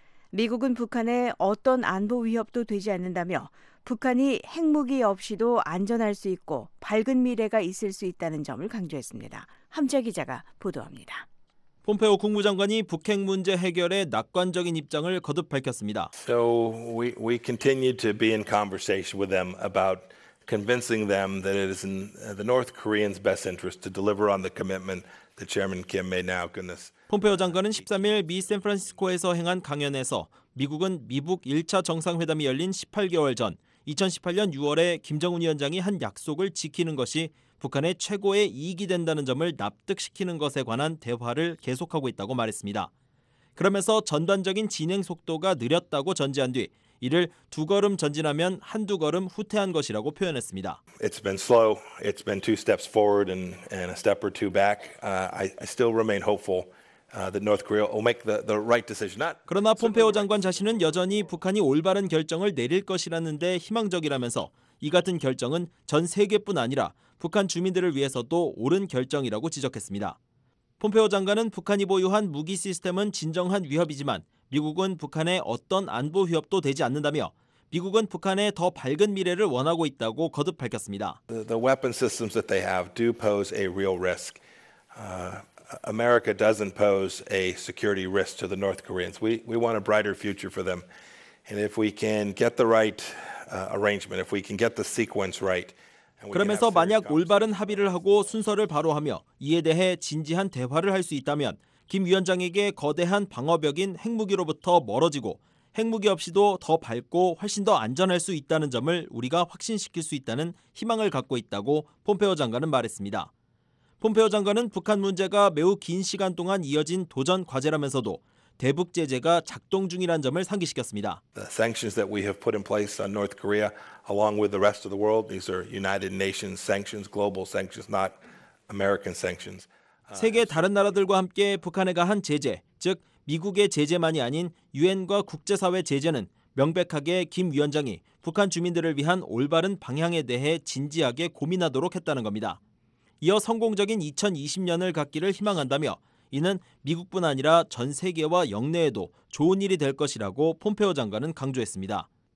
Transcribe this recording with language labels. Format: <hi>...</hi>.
<ko>미국은 북한에 어떤 안보 위협도 되지 않는다며 북한이 핵무기 없이도 안전할 수 있고 밝은 미래가 있을 수 있다는 점을 강조했습니다. 함재 기자가 보도합니다. 폼페오 국무장관이 북핵 문제 해결에 낙관적인 입장을 거듭 밝혔습니다.</ko> <en>So we continue to be in conversation with them about convincing them that it is in the North Koreans' best interest to deliver on the commitment that Chairman Kim made now. Goodness.</en> <ko>폼페오 장관은 13일 미 샌프란시스코에서 행한 강연에서 미국은 미북 1차 정상회담이 열린 18개월 전 2018년 6월에 김정은 위원장이 한 약속을 지키는 것이 북한의 최고의 이익이 된다는 점을 납득시키는 것에 관한 대화를 계속하고 있다고 말했습니다. 그러면서 전반적인 진행 속도가 느렸다고 전제한 뒤 이를 두 걸음 전진하면 한두 걸음 후퇴한 것이라고 표현했습니다.</ko> <en>It's been slow. It's been two steps forward and a step or two back. I still remain hopeful. That North Korea will make the right decision.</en> <ko>그러나 폼페오 장관 자신은 여전히 북한이 올바른 결정을 내릴 것이라는 데 희망적이라면서 이 같은 결정은 전 세계뿐 아니라 북한 주민들을 위해서도 옳은 결정이라고 지적했습니다. 폼페오 장관은 북한이 보유한 무기 시스템은 진정한 위협이지만 미국은 북한에 어떤 안보 위협도 되지 않는다며 미국은 북한에 더 밝은 미래를 원하고 있다고 거듭 밝혔습니다.</ko> <en>The weapon systems that they have do pose a real risk. America doesn't pose a security risk to the North Koreans. We want a brighter future for them. And if we can get the right arrangement, if we can get the sequence right.</en> <ko>그러면서 만약 올바른 합의를 하고 순서를 바로하며 이에 대해 진지한 대화를 할 수 있다면 김 위원장에게 거대한 방어벽인 핵무기로부터 멀어지고 핵무기 없이도 더 밝고 훨씬 더 안전할 수 있다는 점을 우리가 확신시킬 수 있다는 희망을 갖고 있다고 폼페오 장관은 말했습니다. 폼페오 장관은 북한 문제가 매우 긴 시간 동안 이어진 도전 과제라면서도 대북 제재가 작동 중이라는 점을 상기시켰습니다.</ko> <en>The sanctions that we have put in place on North Korea along with the rest of the world, these are United Nations sanctions, global sanctions, not American sanctions.</en> <ko>세계 다른 나라들과 함께 북한에 가한 제재, 즉 미국의 제재만이 아닌 UN과 국제사회 제재는 명백하게 김 위원장이 북한 주민들을 위한 올바른 방향에 대해 진지하게 고민하도록 했다는 겁니다. 이어 성공적인 2020년을 갖기를 희망한다며 이는 미국뿐 아니라 전 세계와 영내에도 좋은 일이 될 것이라고 폼페오 장관은 강조했습니다.</ko>